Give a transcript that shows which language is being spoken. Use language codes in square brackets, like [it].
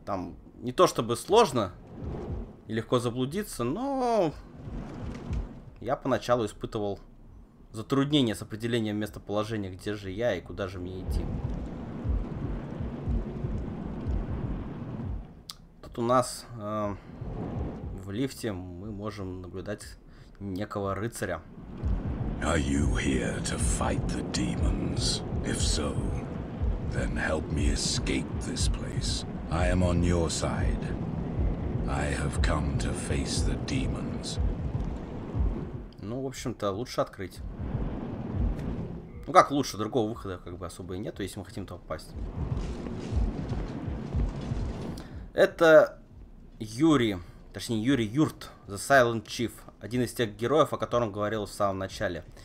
[ru] Там не то чтобы сложно... И легко заблудиться, но я поначалу испытывал затруднения с определением местоположения, где же я и куда же мне идти. Тут у нас в лифте мы можем наблюдать некого рыцаря. [en] Are you here to fight the demons? If so, then help me escape this place. I am on your side. I have come to face the demons. [ru] Ну, в общем-то, лучше открыть. Ну как лучше, другого выхода как бы особо и нету, если мы хотим туда попасть. Это Юрий, точнее Юрий Юрт, The Silent Chief. Один из тех героев, о котором говорил в самом начале.